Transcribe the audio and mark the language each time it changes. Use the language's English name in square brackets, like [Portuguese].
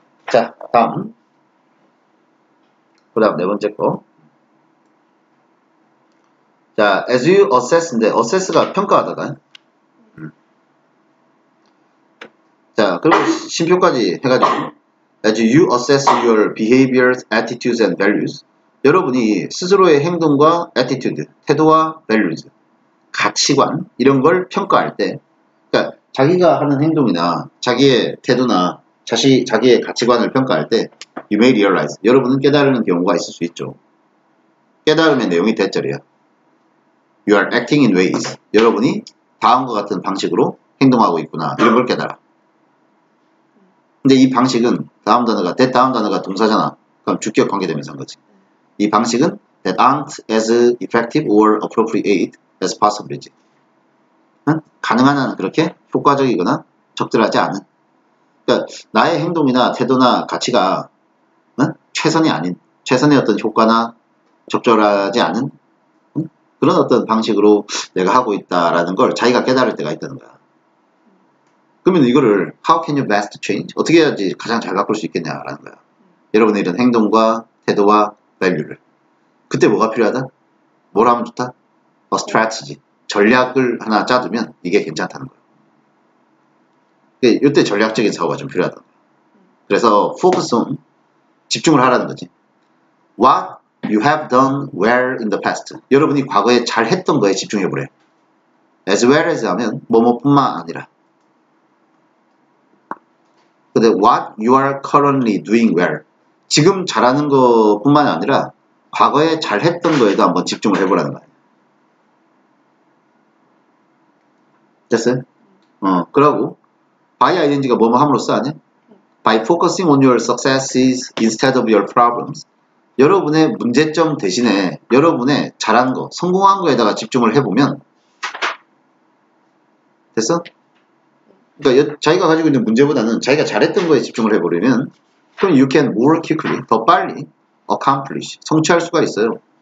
[Korean] 자, 다음. 그 다음 네 번째 거. 자, [English] as you assess [Korean] 인데, assess가 평가하다가. 자, 그리고 심표까지 해가지고. [English] As you assess your behaviors, attitudes, and values. [Korean] 여러분이 스스로의 행동과 attitude, 태도와 values, 가치관, 이런 걸 평가할 때. 그러니까 자기가 하는 행동이나 자기의 태도나 자기의 가치관을 평가할 때 [English] you may realize [Korean] 여러분은 깨달은 경우가 있을 수 있죠. 깨달음의 내용이 대절이야. [English] You are acting in ways [Korean] 여러분이 다음과 같은 방식으로 행동하고 있구나 이런 걸 깨달아. 근데 이 방식은 다음 단어가 that 다음 단어가 동사잖아. 그럼 주격 관계대명사인 거지. 이 방식은 [English] that aren't as effective or appropriate as possible이지. [Korean] 가능한 한 그렇게 효과적이거나 적절하지 않은. 그러니까 나의 행동이나 태도나 가치가 응? 최선이 아닌 최선의 어떤 효과나 적절하지 않은 응? 그런 어떤 방식으로 내가 하고 있다라는 걸 자기가 깨달을 때가 있다는 거야. 그러면 이거를 [English] How can you best change? [Korean] 어떻게 해야지 가장 잘 바꿀 수 있겠냐라는 거야. 여러분의 이런 행동과 태도와 value를. 그때 뭐가 필요하다? 뭘 하면 좋다? [English] A strategy. [Korean] 전략을 하나 짜두면 이게 괜찮다는 거야. 이때 전략적인 사고가 좀 필요하다. 그래서 focus on, 집중을 하라는 거지. [English] What you have done well in the past. [Korean] 여러분이 과거에 잘 했던 거에 집중해보래. As well as 하면 뭐뿐만 아니라. [English] 근데 what you are currently doing well. [Korean] 지금 잘하는 것뿐만 아니라 과거에 잘 했던 거에도 한번 집중을 해보라는 거야. 됐어요? 그러고 by ing가 뭐뭐 함으로써 아니야? [English] By focusing on your successes instead of your problems. [Korean] 여러분의 문제점 대신에 여러분의 잘한 거, 성공한 거에다가 집중을 해보면 됐어? 그러니까 자기가 가지고 있는 문제보다는 자기가 잘했던 거에 집중을 해보려면 그럼 [English] you can more quickly, [Korean] 더 빨리 accomplish, 성취할 수가 있어요.